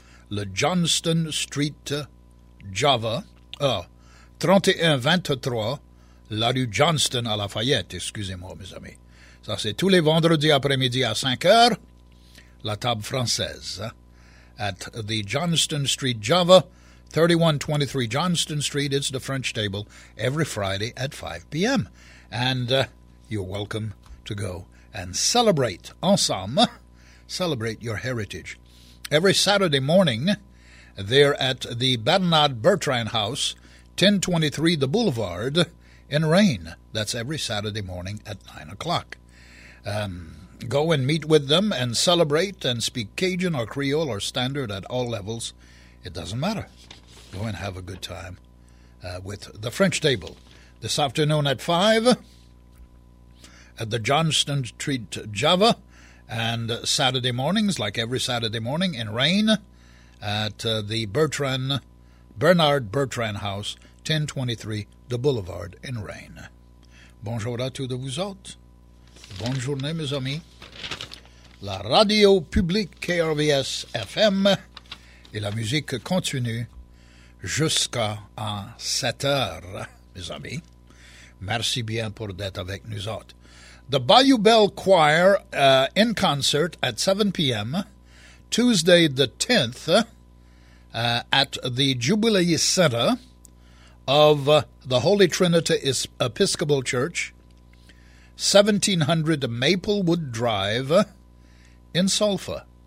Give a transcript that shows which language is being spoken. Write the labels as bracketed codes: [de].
[fr] Le Johnston Street Java. 3123, la rue Johnston à Lafayette, excusez-moi, mes amis. Ça, c'est tous les vendredis après-midi à 5h, la table française. [en] at the Johnston Street Java, 3123 Johnston Street. It's the French Table every Friday at 5 p.m. And you're welcome to go and celebrate ensemble, celebrate your heritage. Every Saturday morning, there at the Badenade Bertrand House, 1023 the Boulevard, in Rain. That's every Saturday morning at 9 o'clock. Go and meet with them and celebrate and speak Cajun or Creole or Standard at all levels. It doesn't matter. Go and have a good time with the French Table. This afternoon at 5 at the Johnston Street Java, and Saturday mornings, like every Saturday morning, in Rain at the Bernard Bertrand House, 1023 the Boulevard in Rain. [fr] Bonjour à tous de vous autres. Bonjour, mes amis. La radio publique KRVS FM et la musique continue jusqu'à 7 heures, mes amis. Merci bien pour d'être avec nous autres. [en] The Bayou Bell Choir in concert at 7 p.m. Tuesday the 10th at the Jubilee Center of the Holy Trinity Episcopal Church, 1700 Maplewood Drive in Sulphur.